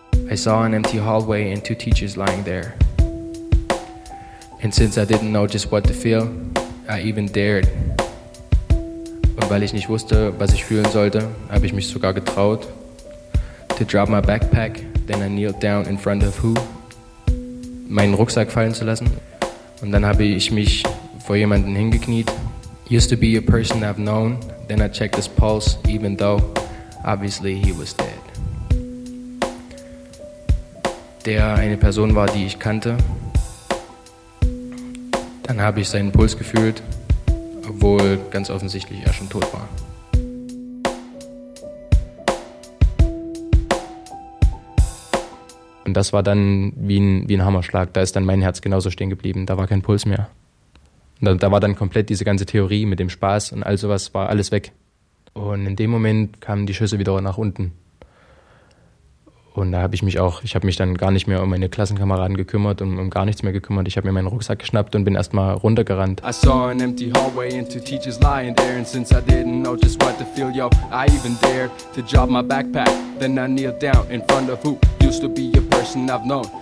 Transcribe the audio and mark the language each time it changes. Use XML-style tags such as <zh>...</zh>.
<en>I saw an empty hallway and two teachers lying there. And since I didn't know just what to feel, I even dared.</en> <de>Und weil ich nicht wusste, was ich fühlen sollte, habe ich mich sogar getraut.</de> <en>To drop my backpack, then I kneeled down in front of who?</en> <de>Meinen Rucksack fallen zu lassen. Und dann habe ich mich vor jemanden hingekniet.</de> <en>Used to be a person I've known, then I checked his pulse, even though obviously he was dead.</en> <de>Der eine Person war, die ich kannte. Dann habe ich seinen Puls gefühlt, obwohl ganz offensichtlich er schon tot war. Und das war dann wie ein Hammerschlag. Da ist dann mein Herz genauso stehen geblieben. Da war kein Puls mehr. Und da war dann komplett diese ganze Theorie mit dem Spaß und all sowas, war alles weg. Und in dem Moment kamen die Schüsse wieder nach unten. Und da habe ich mich auch, ich habe mich dann gar nicht mehr um meine Klassenkameraden gekümmert und um gar nichts mehr gekümmert. Ich habe mir meinen Rucksack geschnappt und bin erstmal runtergerannt.</de> <en>I saw an empty hallway and two teachers lying there. And since I didn't know just what to feel, yo, I even dared to drop my backpack. Then I kneeled down in front of who used to be a person I've known.</en>